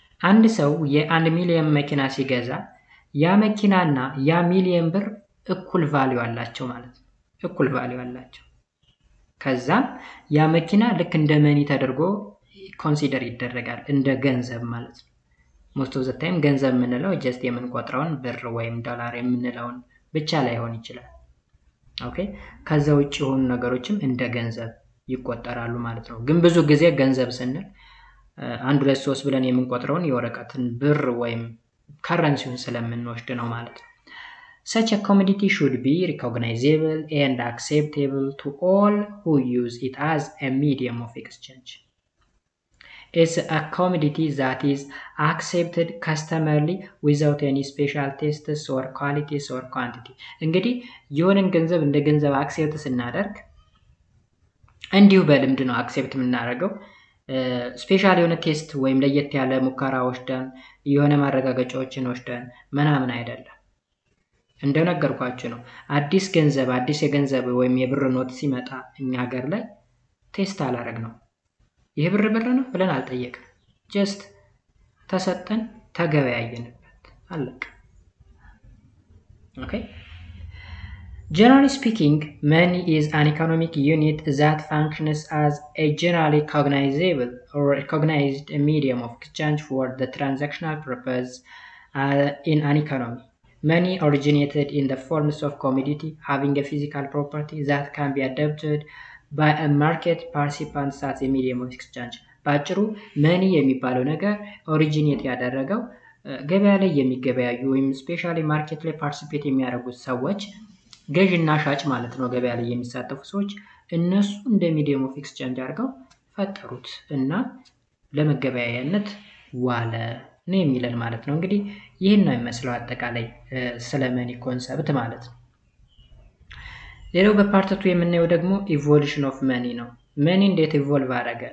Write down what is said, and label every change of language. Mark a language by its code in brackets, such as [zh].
[am] አንድ ሰው የአንድ ሚሊየን መኪና ሲገዛ ያ መኪናና ያ ሚሊየን ብር እኩል ቫልዩ አላቸው ማለት ነው። እኩል ቫልዩ አላቸው። ከዛ ያ መኪና ልክ እንደ መኒ ተደርጎ ኮንሲደር ይደረጋል እንደ ገንዘብ ማለት ነው። [en] most of the time [am] ገንዘብ ምንለው just የምንቆጥረውን ብር ወይም ዶላር የምንለውን ብቻ ላይሆን ይችላል። ኦኬ ከዛ ውጪ ሆኑ ነገሮችም እንደ ገንዘብ ይቆጠራሉ ማለት ነው። ግን ብዙ ጊዜ ገንዘብ ስንል 123 ብለን የምንቆጥረውን የወረቀትን ብር ወይም ካረንሲውን ስለምንወስድ ነው ማለት ነው። [en] such a commodity should be recognizable and acceptable to all who use it as a medium of exchange. It's a commodity that is accepted customarily without any special tests or qualities or quantity. [am] እንግዲህ የሆነን ገንዘብ እንደ ገንዘብ አክሴፕት ስናደርግ እንዲሁ በልምድ ነው አክሴፕት የምናደርገው። ስፔሻል የሆነ ቴስት ወይም ለየት ያለ ሙከራዎች ደን የሆነ ማረጋገጫዎችን ወስደን ምናምን አይደለም። እንደነገርኳችሁ ነው አዲስ ገንዘብ አዲስ የገንዘብ ወይም የብር ኖት ሲመጣ እኛ ሀገር ላይ ቴስት አላረግነው። ይሄ ብር ብር ነው ብለን አልጠየቅን። just ተሰጠን ተገበያየንበት አለቀ። [en] okay generally speaking money is an economic unit that functions as a generally cognizable or recognized medium of exchange for the transactional purpose in an economy. money originated in the forms of commodity having a physical property that can be adopted by a market participant as a medium of exchange. [am] ባጭሩ money የሚባለው ነገር originate ያደረገው ገበያ ላይ የሚገበያዩ ወይም especially market ላይ participate የሚያደርጉ ሰዎች ገዥና ሻጭ ማለት ነው ገበያ ላይ የሚሳተፉ ሰዎች እነሱ እንደ medium of exchange አድርገው ፈጠሩት እና ለመገበያያነት ዋለ ነው የሚለን ማለት ነው። እንግዲህ ይሄን ነው የሚመስለው አጠቃላይ ስለ money concept ማለት ነው። ሌላው በፓርት 2 የምናየው ደግሞ ኢቮሉሽን ኦፍ መኒ ነው። መኒ እንዴት ኢቮልቭ አደረገ?